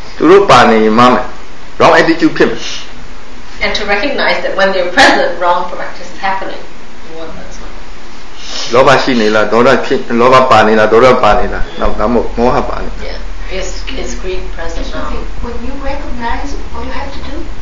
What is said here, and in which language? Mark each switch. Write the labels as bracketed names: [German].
[Burmese] တို့ပါနေမှာမယ် wrong attitude ဖြစ်မှာ [English] and to recognize that when they're present wrong practice is happening [Burmese] လောဘရှိနေလားဒေါသဖြစ်လောဘပါနေလားဒေါသပါနေလားနောက်ဒါမို့မောဟပါနေ [English] is greed present now when you recognize all you have to do